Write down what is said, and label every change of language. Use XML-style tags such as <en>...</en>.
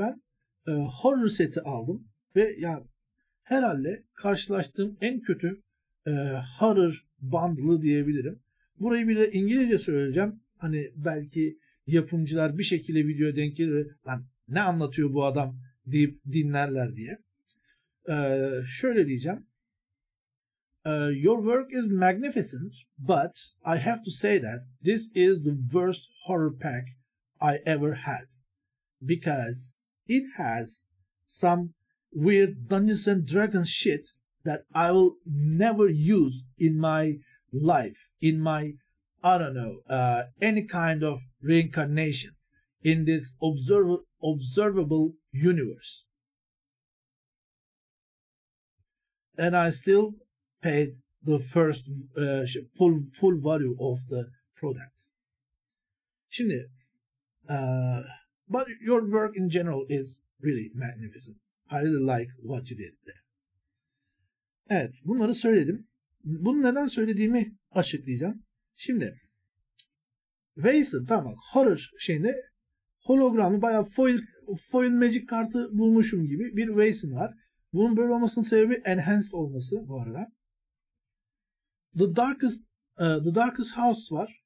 <tr>Ben horror seti aldım. Ve yani herhalde karşılaştığım en kötü horror bundle'ı diyebilirim. Burayı bir de İngilizce söyleyeceğim. Hani belki yapımcılar bir şekilde videoya denk gelir. Lan ne anlatıyor bu adam deyip dinlerler diye. Şöyle diyeceğim.</tr> <en>Your work is magnificent, but I have to say that this is the worst horror pack I ever had. Because it has some weird Dungeons and Dragons shit that I will never use in my life, in my, I don't know, any kind of reincarnations in this observable universe. And I still paid the first full value of the product. Şimdi, but your work in general is really magnificent. I really like what you did there.</en> <tr>Evet, bunları söyledim. Bunu neden söylediğimi açıklayacağım. Şimdi, Wason, tamam, horror şeyinde hologramı bayağı foil magic kartı bulmuşum gibi bir Wason var. Bunun böyle olmasının sebebi enhanced olması bu arada. The Darkest House var.</tr>